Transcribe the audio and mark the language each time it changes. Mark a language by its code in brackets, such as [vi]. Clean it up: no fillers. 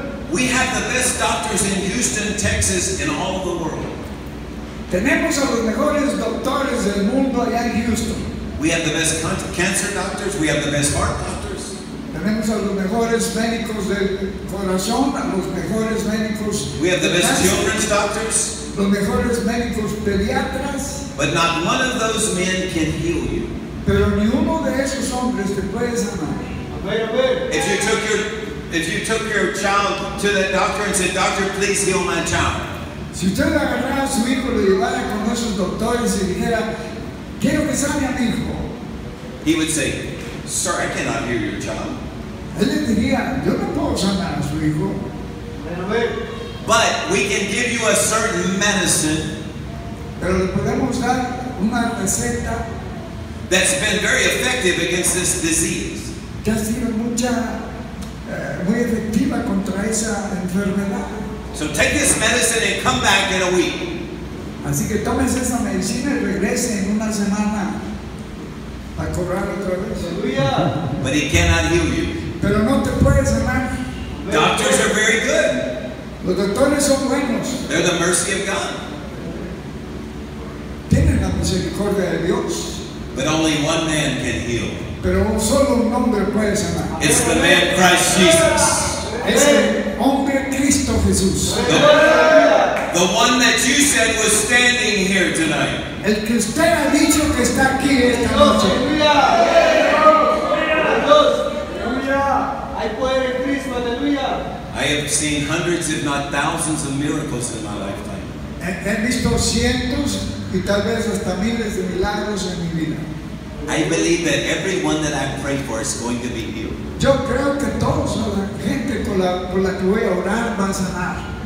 [en] We have the best doctors in Houston, Texas, in all the world. [es] Tenemos a los mejores doctores del mundo allá en Houston. [en] We have the best cancer doctors. We have the best heart doctors. [es] Tenemos a los mejores médicos del corazón, a los mejores médicos. [en] We have the best children's doctors. [es] Los mejores médicos pediatras. [en] But not one of those men can heal you. [es] Pero ni uno de esos hombres te puede sanar. [en] If you took your child to that doctor and said, "Doctor, please heal my child." [es] Si usted agarrara a su hijo y lo llevara con esos doctores y dijera, "Quiero que sane a mi hijo." [en] He would say, "Sir, I cannot heal your child." [es] Él le diría, "Yo no puedo sanar a su hijo." [en] But we can give you a certain medicine. [es] Pero le podemos dar una receta [en] that's been very effective against this disease. [es] Que ha sido muy efectiva contra esa enfermedad. [en] So take this medicine and come back in a week. [es] Así que tómese esa medicina y regrese en una semana para cobrar otra vez. [en] But he cannot heal you. [es] Pero no te puede sanar. [en] Doctors are very good. [es] Los doctores son buenos. [en] They're the mercy of God. [es] Tienen la misericordia de Dios. [en] But only one man can heal. [es] Pero solo un hombre puede sanar. [en] It's the man Christ Jesus. [es] Es el hombre Cristo Jesús. [en] The one that you said was standing here tonight. [es] El que usted ha dicho que está aquí esta noche. Aleluya. Aleluya. [en] I have seen hundreds, if not thousands, of miracles in my lifetime. [es] He visto cientos y tal vez hasta miles de milagros en mi vida. [en] I believe that everyone that I pray for is going to be healed. [es] Yo creo que todos la gente por la que voy a orar va a sanar.